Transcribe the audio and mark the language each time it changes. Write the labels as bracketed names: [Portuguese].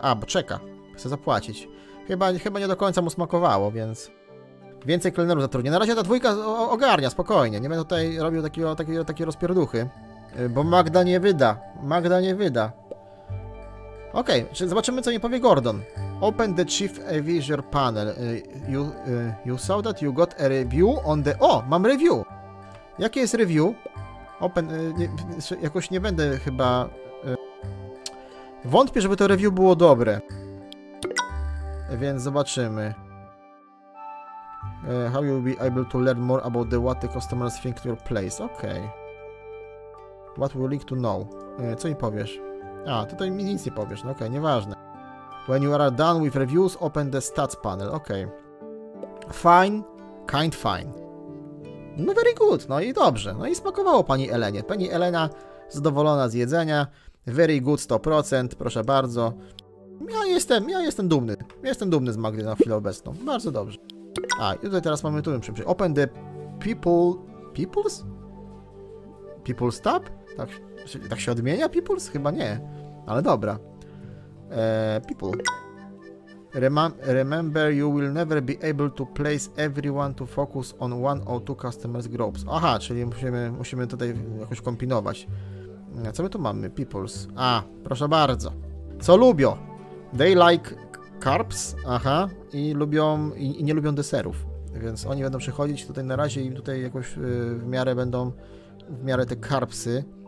[Polish] A, bo czeka, chcę zapłacić. Chyba nie do końca mu smakowało, więc... Więcej klenerów zatrudnię. Na razie ta dwójka ogarnia, spokojnie. Nie będę tutaj robił takie rozpierduchy. Bo Magda nie wyda. Magda nie wyda. Okej, okay, zobaczymy, co mi powie Gordon. [English] Open the Chief Avisor Panel. You saw that you got a review on the... [Polish] O, mam review! Jakie jest review? Open... jakoś nie będę chyba... Wątpię, żeby to review było dobre. Więc zobaczymy. [English] How you'll be able to learn more about the what the customers think to your place. Okej. Okay. What will you like to know? [Polish] Co mi powiesz? A, tutaj mi nic nie powiesz, no okej, okay, nieważne. [English] When you are done with reviews, open the stats panel. Okej. Okay. Fine, kind fine. [Polish] No [English] very good, [Polish] no i dobrze. No i smakowało pani Elenie. Pani Elena zadowolona z jedzenia. [English] Very good [Polish] 100%, proszę bardzo. Ja jestem dumny. Jestem dumny z Magdy na chwilę obecną. Bardzo dobrze. A, i tutaj teraz mamy tu przyjemność. [English] Open the People's? People's tab? [Polish] Tak się odmienia People's? Chyba nie. Ale dobra. People. [English] Remember, you will never be able to place everyone to focus on one or two customers groups. [Polish] Aha, czyli musimy tutaj jakoś kombinować. Co my tu mamy? People's. A, proszę bardzo. Co lubią? [English] They like... [Polish] Carps, aha, i lubią i nie lubią deserów, więc oni będą przychodzić tutaj na razie i tutaj jakoś w miarę te carpsy.